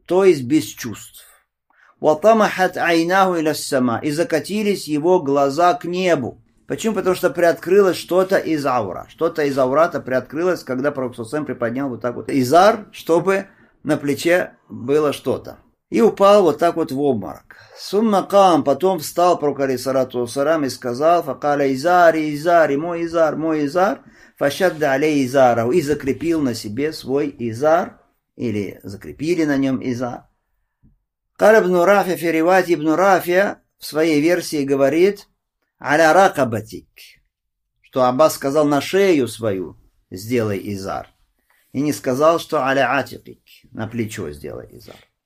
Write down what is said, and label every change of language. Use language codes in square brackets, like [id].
[ru] То есть без чувств. [ar] وَطَمَحَتْ عَيْنَهُ إِلَى السَّمَاءِ. [ru] И закатились его глаза к небу. Почему? Потому что приоткрылось что-то из аура. Что-то из аурата приоткрылось, когда пророк саллаллаху алейхи ва саллям приподнял вот так вот изар, чтобы на плече было что-то. И упал вот так вот в обморок. [ar] ثُمَّ قَام. [ru] Потом встал пророк алейхи саллату ва саллям и сказал: [ar] فَقَالَ إِزَارِ إِزَارِ مُوْ إِزَارِ مُوْ إِزَارِ فَشَدَّ عَلَيْهِ إِزَارَهُ. [ru] И закрепил на себе свой изар, или закрепили на нем изар. [ar] قال ابن رافع في رواية ابن رافع [ru] в своей версии говорит [ar] على رقبتك, [ru] что Аббас сказал: на шею свою сделай изар, и не сказал, что [ar] على عاتقك, [ru] на плечо сделай изар.